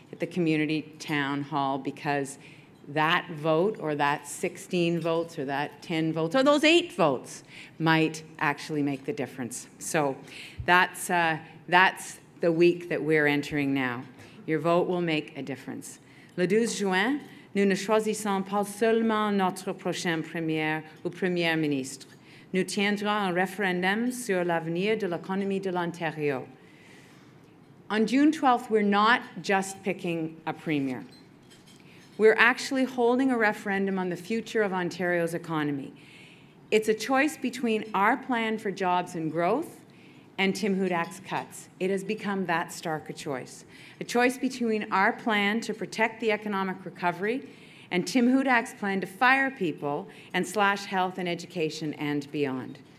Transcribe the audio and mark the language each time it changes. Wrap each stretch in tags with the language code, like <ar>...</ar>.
<en>the community town hall, because that vote or that 16 votes or that 10 votes or those 8 votes might actually make the difference. So that's the week that we're entering now. Your vote will make a difference.</en> <fr>Le 12 juin, nous ne choisissons pas seulement notre prochain premier ou premier ministre. Nous tiendrons un référendum sur l'avenir de l'économie de l'Ontario.</fr> <en>On June 12th, we're not just picking a premier. We're actually holding a referendum on the future of Ontario's economy. It's a choice between our plan for jobs and growth and Tim Hudak's cuts. It has become that stark a choice. A choice between our plan to protect the economic recovery and Tim Hudak's plan to fire people and slash health and education and beyond.</en>